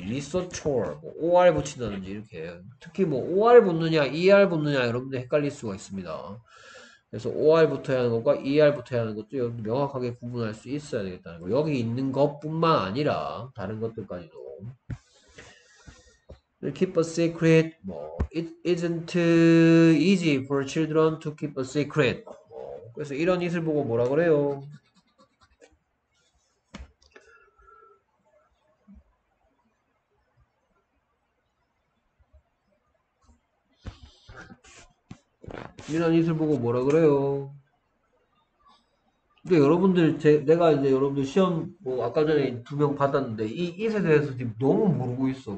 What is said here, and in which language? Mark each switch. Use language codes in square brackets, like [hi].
[ko] 리서처 뭐 OR 붙인다든지 이렇게. 특히 뭐 OR 붙느냐 ER 붙느냐 여러분들 헷갈릴 수가 있습니다. 그래서 OR 붙어야 하는 것과 ER 붙어야 하는 것도 여러분 명확하게 구분할 수 있어야 되겠다는 거. 여기 있는 것뿐만 아니라 다른 것들까지도. [en] Keep a secret. 뭐 It isn't easy for children to keep a secret. [ko] 그래서 이런 이슬 보고 뭐라 그래요? 이런 이슬 보고 뭐라 그래요? 근데 여러분들 내가 이제 여러분들 시험 뭐 아까 전에 두명 받았는데 이 이슬에 대해서 지금 너무 모르고 있어.